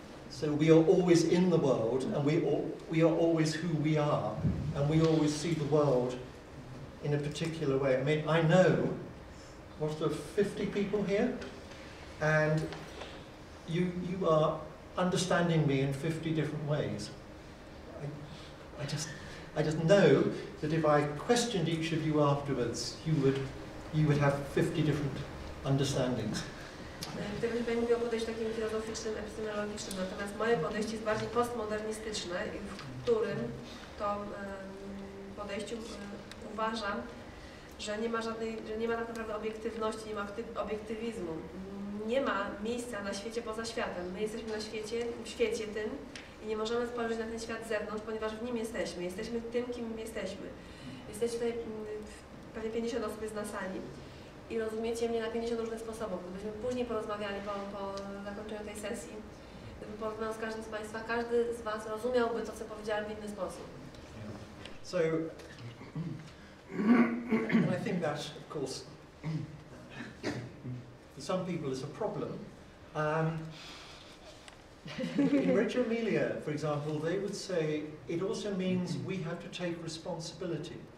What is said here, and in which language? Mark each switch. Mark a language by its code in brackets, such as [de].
[en] So we are always in the world, and we are always who we are, and we always see the world in a particular way. I mean, I know, what, there are 50 people here, and you are understanding me in 50 different ways. I just know that if I questioned each of you afterwards, you would have 50 different understandings. [pl] Gdybyś pani mówił o podejściu takim filozoficznym, epistemologicznym, natomiast moje podejście jest bardziej postmodernistyczne, w którym to podejściu uważam, że nie ma żadnej, że nie ma tak naprawdę obiektywności, nie ma obiektywizmu. Nie ma miejsca na świecie poza światem. My jesteśmy na świecie, w świecie tym i nie możemy spojrzeć na ten świat z zewnątrz, ponieważ w nim jesteśmy. Jesteśmy tym, kim jesteśmy. Jesteś tutaj prawie 50 osób jest na sali. I rozumiecie mnie na 50 różnych sposobów. Gdybyśmy później porozmawiali po zakończeniu tej sesji, gdybym porozmawiał z każdym z Państwa, każdy z Was rozumiałby to, co powiedziałem, w inny sposób. [en] So, I think that, of course, for some people is a problem. In Reggio Emilia, for example, they would say it also means we have to take responsibility.